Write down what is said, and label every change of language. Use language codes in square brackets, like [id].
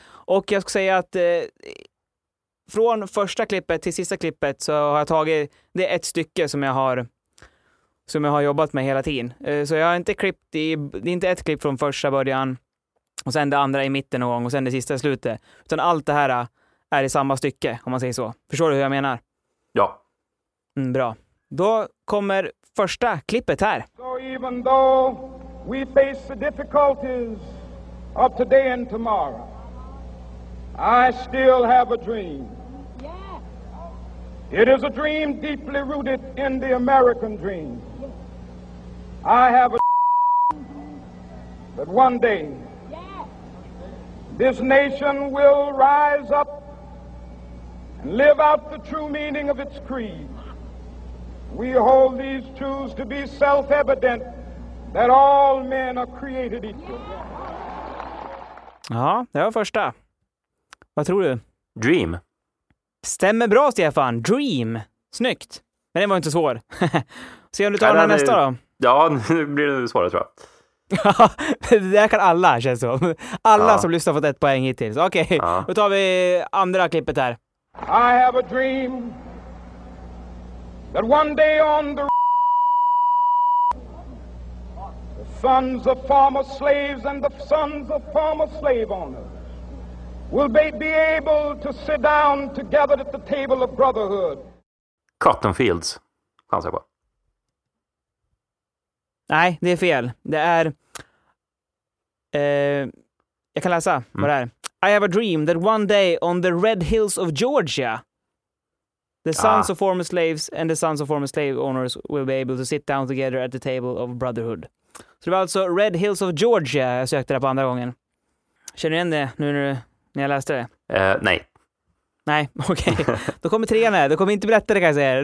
[sv] Och jag ska säga att från första klippet till sista klippet så har jag tagit, det är ett stycke som jag har jobbat med hela tiden. Så jag har inte klippt i, det är inte ett klipp från första början och sen det andra i mitten någon gång och sen det sista i slutet. Utan allt det här är i samma stycke, om man säger så. Förstår du hur jag menar? Ja. Mm, bra. Då kommer första klippet här. [en] So even though we face the difficulties of today and tomorrow, I still have a dream. It is a dream deeply rooted in the American dream. I have a dream that one day this nation will rise up and live out the true meaning of its creed. We hold these truths to be self-evident, that all men are created equal. [sv] Ja, det var första. Vad tror du? Dream. Stämmer bra, Stefan. Dream. Snyggt. Men det var inte svår. Se om du tar den nästa då. Ja, nu blir det svårare, tror jag. Det där kan alla, känns som. Alla som lyssnar har fått ett poäng hittills. Okej, då tar vi andra klippet här. [en] I have a dream that one day on the sons of former slaves and the sons of former slave owners will be able to sit down together at the table of brotherhood. Cotton fields, [sv] chansar jag på. Nej, det är fel. Det är jag kan läsa vad det är. [en] I have a dream that one day on the red hills of Georgia, the sons of former slaves and the sons of former slave owners will be able to sit down together at the table of brotherhood. [sv] Så det var alltså Red Hills of Georgia jag sökte det på andra gången. Känner du igen det nu när jag läste det? Nej. Nej, okej. Okay. Då kommer trean här. Då kommer inte berätta det, kan jag säga.